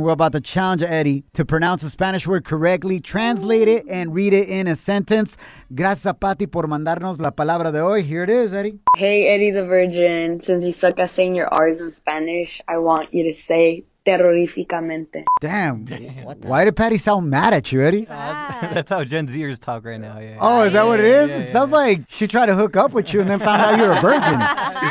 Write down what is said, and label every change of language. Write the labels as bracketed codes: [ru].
[en] We're about to challenge Eddie to pronounce a Spanish word correctly, translate it, and read it in a sentence. [es] Gracias a Patty por mandarnos la palabra de hoy. [en] Here it is, Eddie. Hey, Eddie the Virgin. Since you suck at saying your R's in Spanish, I want you to say terroríficamente. Damn. Why did Patty sound mad at you, Eddie? That's how Gen Zers talk right now. Yeah. Oh, is that what it is? Yeah. Sounds like she tried to hook up with you and then found out you're a virgin.